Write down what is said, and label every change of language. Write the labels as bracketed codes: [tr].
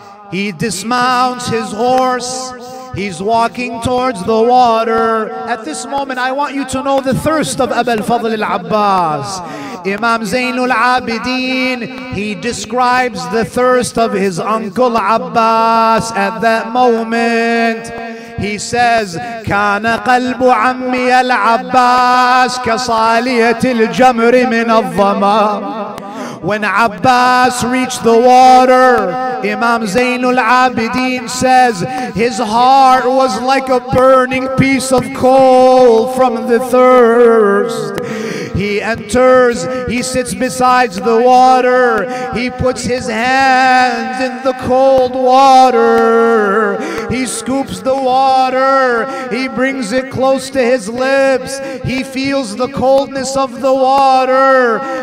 [en] He dismounts his horse. He's walking towards the water. At this moment, I want you to know the thirst of Aba al-Fadl al-Abbas. Imam Zainul Abidin, he describes the thirst of his uncle Abbas at that moment. He says, [ar] كان قلب عمي العباس كصالية الجمر من الظما. [en] When Abbas reached the water, Imam Zainul Abidin says, his heart was like a burning piece of coal from the thirst. He enters, he sits beside the water, he puts his hands in the cold water, he scoops the water, he brings it close to his lips, he feels the coldness of the water.